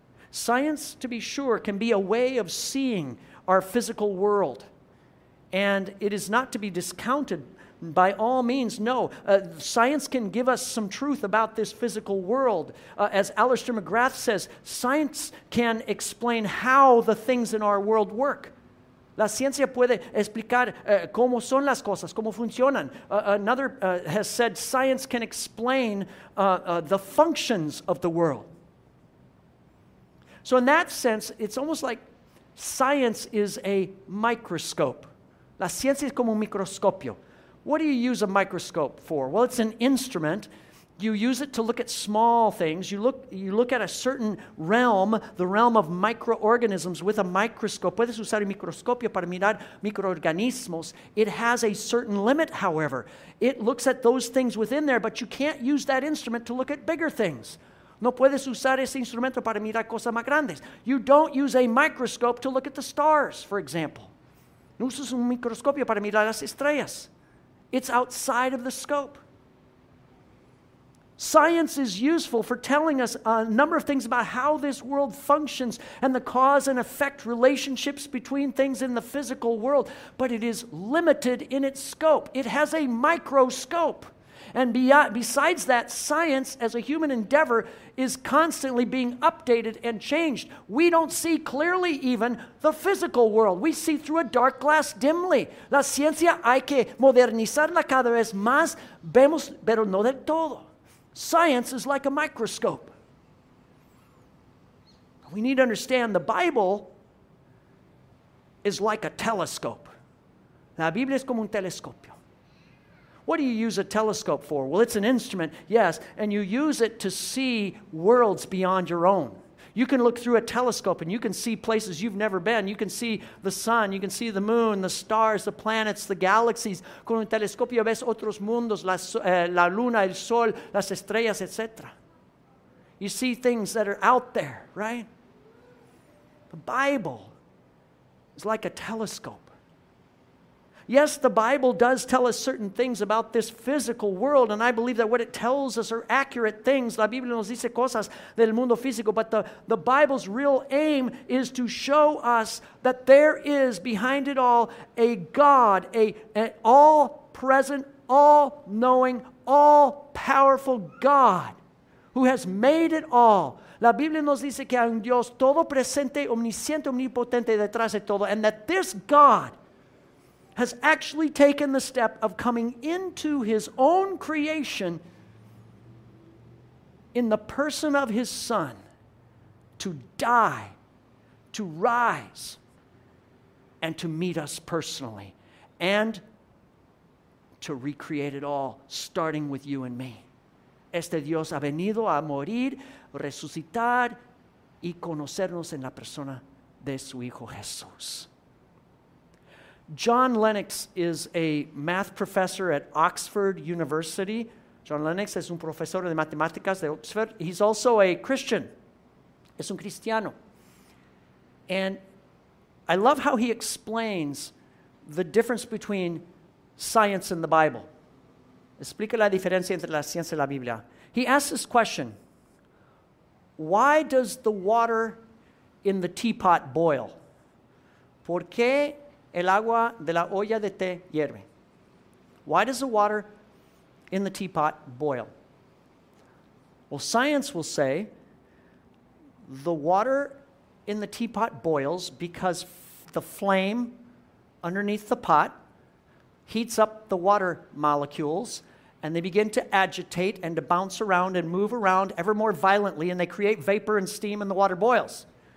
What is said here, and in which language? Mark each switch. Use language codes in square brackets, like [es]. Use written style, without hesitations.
[en] Science, to be sure, can be a way of seeing our physical world, and it is not to be discounted by all means. No, science can give us some truth about this physical world. As Alistair McGrath says, science can explain how the things in our world work. [es] La ciencia puede explicar cómo son las cosas, cómo funcionan. [en] Another has said science can explain the functions of the world. So in that sense, it's almost like science is a microscope. [es] La ciencia es como un microscopio. [en] What do you use a microscope for? Well, it's an instrument. You use it to look at small things. You look at a certain realm, the realm of microorganisms, with a microscope. [es] Puedes usar un microscopio para mirar microorganismos. [en] It has a certain limit, however. It looks at those things within there, but you can't use that instrument to look at bigger things. [es] No puedes usar ese instrumento para mirar cosas más grandes. [en] You don't use a microscope to look at the stars, for example. [es] No usas un microscopio para mirar las estrellas. [en] It's outside of the scope. Science is useful for telling us a number of things about how this world functions and the cause and effect relationships between things in the physical world, but it is limited in its scope. It has a microscope. And besides that, science as a human endeavor is constantly being updated and changed. We don't see clearly even the physical world. We see through a dark glass dimly. [es] La ciencia hay que modernizarla cada vez más. Vemos, pero no del todo. [en] Science is like a microscope. We need to understand the Bible is like a telescope. [es] La Biblia es como un telescopio. [en] What do you use a telescope for? Well, it's an instrument, yes, and you use it to see worlds beyond your own. You can look through a telescope and you can see places you've never been. You can see the sun, you can see the moon, the stars, the planets, the galaxies. [es] Con un telescopio ves otros mundos, la luna, el sol, las estrellas, etc. [en] You see things that are out there, right? The Bible is like a telescope. Yes, the Bible does tell us certain things about this physical world, and I believe that what it tells us are accurate things. [es] La Biblia nos dice cosas del mundo físico, [en] but the Bible's real aim is to show us that there is behind it all a God, an all-present, all-knowing, all-powerful God who has made it all. [es] La Biblia nos dice que hay un Dios todo presente, omnisciente, omnipotente detrás de todo, [en] and that this God has actually taken the step of coming into his own creation in the person of his Son to die, to rise, and to meet us personally, and to recreate it all, starting with you and me. [es] Este Dios ha venido a morir, resucitar y conocernos en la persona de su Hijo Jesús. [en] John Lennox is a math professor at Oxford University. [es] John Lennox es un profesor de matemáticas de Oxford. [en] He's also a Christian. [es] Es un cristiano. [en] And I love how he explains the difference between science and the Bible. [es] Explica la diferencia entre la ciencia y la Biblia. [en] He asks this question: why does the water in the teapot boil? [es] ¿Por qué el agua de la olla de té hierve? [en] Why does the water in the teapot boil? Well, science will say the water in the teapot boils because the flame underneath the pot heats up the water molecules, and they begin to agitate and to bounce around and move around ever more violently, and they create vapor and steam, and the water boils.